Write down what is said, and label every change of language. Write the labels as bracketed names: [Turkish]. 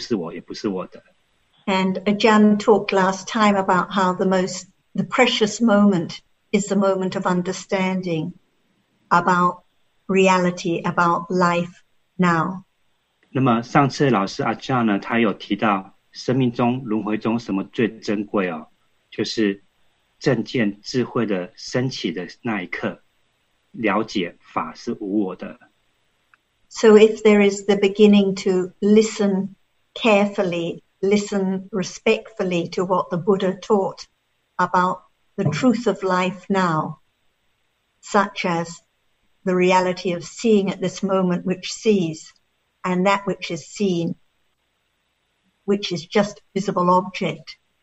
[Chinese] 那么我们从一出生啊到现在到死亡，其实都只是法在生灭而已。就是最大的两类的法，就是可以去经验的明法以及什么都不知道的设法。那么这些法不管是哪一种，它都是anatta，都不是我，也不是我的。And [English] Ajahn talked last time about how the most the precious moment is the moment of understanding about reality, about life now. [Chinese] 那么上次老师阿加呢，他有提到生命中、轮回中什么最珍贵哦，就是正见智慧的升起的那一刻，了解法是无我的。So [English] if there is the beginning to listen carefully, listen respectfully to what the Buddha taught about the truth of life now, such as the reality of seeing at this moment which sees, and that which is seen, which is just visible object.